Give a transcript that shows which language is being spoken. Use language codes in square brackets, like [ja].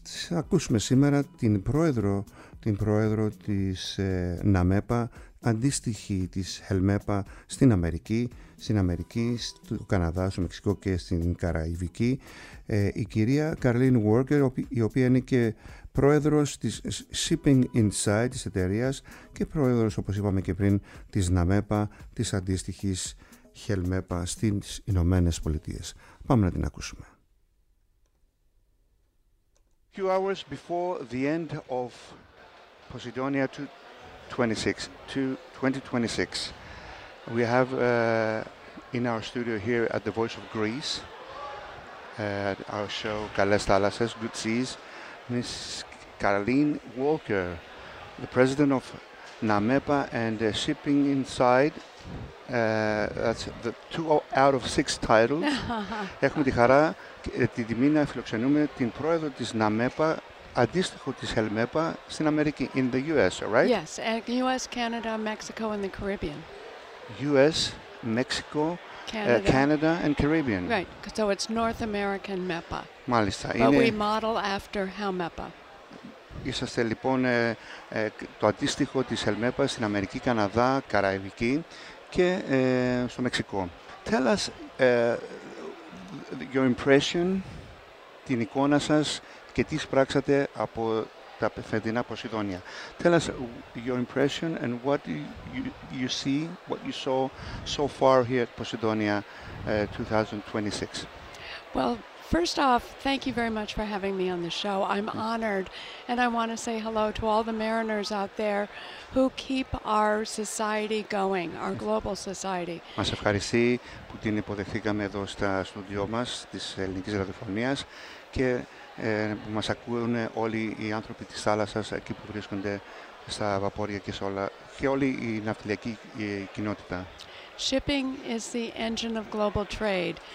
[el] Ακούσουμε σήμερα την πρόεδρο της ΝΑΜΕΠΑ, αντίστοιχη της ΧΕΛΜΕΠΑ στην Αμερική, στο Καναδά, στο Μεξικό και στην Καραϊβική, η κυρία Καρλίν Βόρκερ, η οποία είναι και πρόεδρος της Shipping Insight της εταιρείας και πρόεδρος, όπως είπαμε και πριν, της ΝΑΜΕΠΑ, της αντίστοιχης ΧΕΛΜΕΠΑ στις Ηνωμένες Πολιτείες. Πάμε να την ακούσουμε. [en] Few hours before the end of Posidonia 2026, we have in our studio here at the Voice of Greece, at our show Kales Thalassas, Good Seas, Ms. Caroline Walker, the president of NAMEPA and Shipping Inside. That's the two out of six titles. [el] Έχουμε τη χαρά και την τιμή να φιλοξενούμε την πρόεδρο της ΝΑΜΕΠΑ, αντίστοιχο της ΧΕΛΜΕΠΑ στην Αμερική, [en] in the US, right? Yes, US, Canada, Mexico and the Caribbean. US, Mexico, Canada and Caribbean. Right, so it's North American MEPA. [el] Μάλιστα. [en] But [el] είναι... [en] we model after HELMEPA. [el] Είσαστε λοιπόν το αντίστοιχο της ΧΕΛΜΕΠΑ στην Αμερική, Καναδά, Καραϊβική και στο Μεξικό. [en] Tell us your impression, [el] την εικόνα σας και τι σπράξατε από τα φετινά Ποσειδόνια. [en] Tell us your impression and what you see, what you saw so far here at Ποσειδόνια 2026. Well, first off, thank you very much for having me on the show. I'm honored, and I want to say hello to all the mariners out there who keep our society going, our global society. [el] Μας ευχαριστεί που την υποδεχθήκαμε εδώ στα στούντιο μας της Ελληνικής Ραδιοφωνίας και που μας ακούνε όλοι οι άνθρωποι της θάλασσας εκεί που βρίσκονται στα βαπόρια και σε όλα και όλη η ναυτιλιακή κοινότητα. [en] Shipping is the engine of global trade,